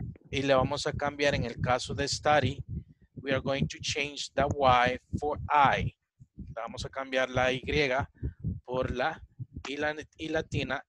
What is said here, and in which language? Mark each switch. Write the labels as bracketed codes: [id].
[es] Y le vamos a cambiar en el caso de study. [en] We are going to change the y for I. [es] Le vamos a cambiar la y por la y, la y latina.